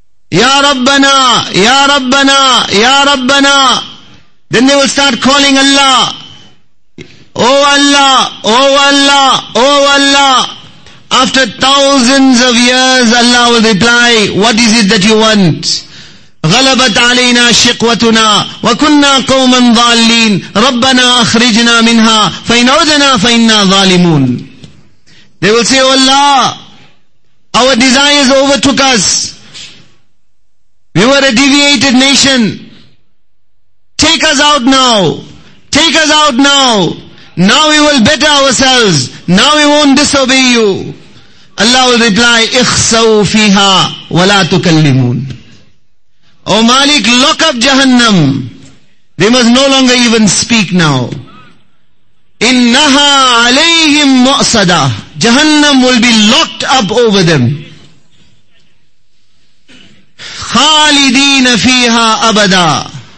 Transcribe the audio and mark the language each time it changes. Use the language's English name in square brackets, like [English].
[Arabic] Ya Rabbana, Ya Rabbana, Ya Rabbana. [English] Then they will start calling Allah. O Allah, O Allah, O Allah. After thousands of years, Allah will reply, what is it that you want? [Arabic] غلبت علينا شقوتنا وكنا قوما ضالين ربنا أخرجنا منها فإن عدنا فإنا ظالمون. [English] They will say, O Allah, our desires overtook us. We were a deviated nation. Take us out now. Take us out now. Now we will better ourselves. Now we won't disobey you. Allah will reply, [Arabic] اخسوا فيها ولا تكلمون. [English] O Malik, lock up Jahannam. They must no longer even speak now. [Arabic] إنها عليهم مؤصدة. [English] Jahannam will be locked up over them. [Arabic] خالدين فيها أبدا.